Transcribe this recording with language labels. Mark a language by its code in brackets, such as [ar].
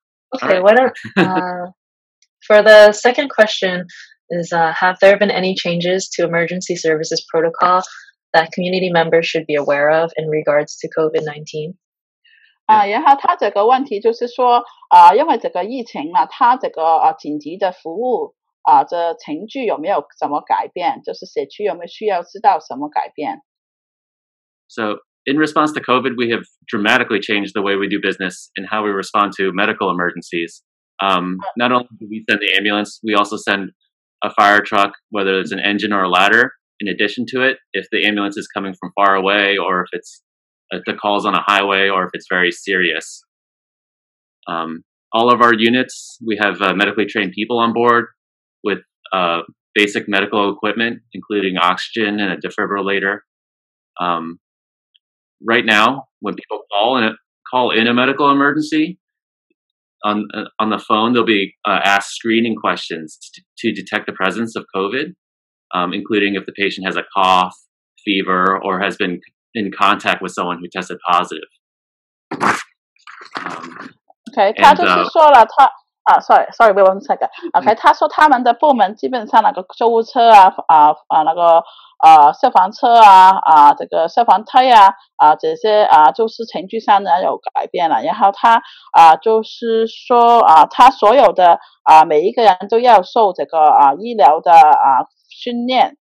[en] Okay, what for the second question is have there been any changes to emergency services protocol that community members should be aware of in regards to COVID-19? [zh] 然后他这个问题就是说，因为这个疫情嘛，他这个紧急的服务的程序有没有什么改变？就是社区有没有需要知道什么改变？ [en] So in response to COVID, we have dramatically changed the way we do business and how we respond to medical emergencies. Not only do we send the ambulance, we also send a fire truck, whether it's an engine or a ladder, in addition to it, if the ambulance is coming from far away, or if it's the calls on a highway, or if it's very serious. All of our units, we have medically trained people on board with basic medical equipment, including oxygen and a defibrillator. Right now, when people call in a medical emergency, on the phone, they'll be asked screening questions to detect the presence of COVID, including if the patient has a cough, fever, or has been in contact with someone who tested positive. Sorry, wait one second. [zh] Okay, 他说他们的部门基本上那个救护车啊，那个消防车啊，这个消防车啊，这些就是程序上呢有改变了。然后他就是说他所有的每一个人都要受这个医疗的训练。